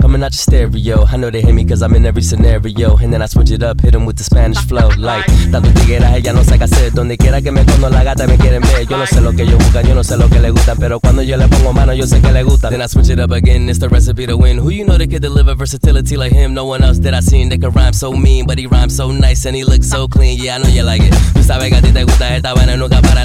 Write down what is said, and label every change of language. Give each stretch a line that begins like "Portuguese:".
English: Stereo, I know they hear me cause I'm in every scenario. And then I switch it up, hit them with the Spanish flow.
Spanish: Like, tanto tigueraje, ya no sé qué hacer. Donde quiera que me pongo la gata me quieren ver. Yo no sé lo que ellos buscan, yo no sé lo que le gustan. Pero cuando yo le pongo mano, yo sé que le gustan.
English: Then I switch it up again, it's the recipe to win. Who you know that can deliver versatility like him? No one else that I seen that can rhyme so mean. But he rhymes so nice and he looks so clean. Yeah, I know you like it.
Spanish: Tú sabes que a ti te gusta esta vaina, nunca para.